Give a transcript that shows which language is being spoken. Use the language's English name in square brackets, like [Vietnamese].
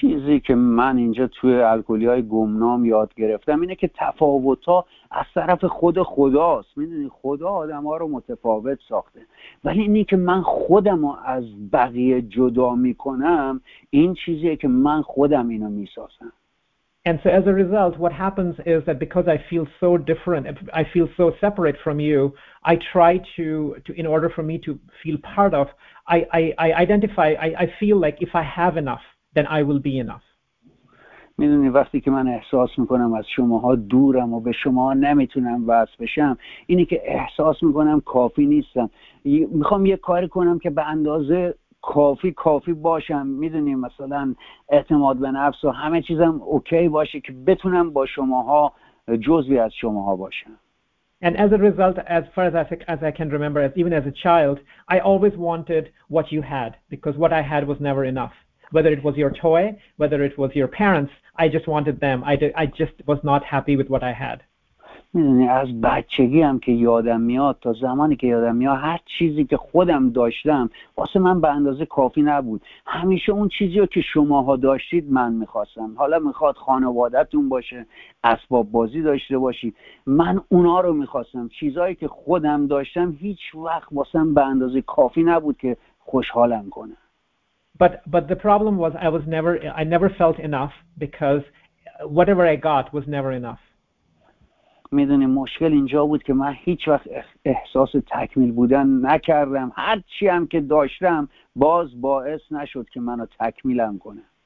[Persian] چیزی که من اینجا توی الکلی‌های گمنام یاد گرفتم اینه که تفاوت‌ها از طرف خود خداست. می‌دونی خدا آدم‌ها رو متفاوت ساخته. ولی اینی که من خودم رو از بقیه جدا می‌کنم، این چیزیه که من خودم اینو می‌سازم. [English] And so as a result, what happens is that because I feel so different, I feel so separate from you, I try to in order for me to feel part of, I identify, I feel like if I have enough, then I will be enough. [Persian] میدونی وقتی که من احساس میکنم از شماها دورم و به شماها نمیتونم وصل بشم، اینی که احساس میکنم کافی نیستم. میخوام یه کاری کنم که به اندازه کافی باشم، میدونی مثلا اعتماد به نفس و همه چیزم اوکی باشه که بتونم با شماها جزوی از شماها باشم. [English] And as a result, as far as I can remember, as even as a child, I always wanted what you had because what I had was never enough. Whether it was your toy, whether it was your parents, I just wanted them. I just was not happy with what I had. [Persian] میدونی از بچگی هم که یادم میاد تا زمانی که یادم میاد هر چیزی که خودم داشتم واسه من به اندازه کافی نبود. همیشه اون چیزی رو که شماها داشتید من میخواستم. حالا میخواد خانوادتون باشه، اسباب بازی داشته باشید، من اونا رو میخواستم. چیزایی که خودم داشتم هیچ وقت واسه من به اندازه کافی نبود که خوشحالم کنه. [English] But the problem was I never felt enough because whatever I got was never enough. [Persian] میدونی مشکل اینجا بود که من هیچ وقت احساس تکمیل بودن نکردم. هر چی هم که داشتم باز باعث نشد که منو تکمیلم کنه.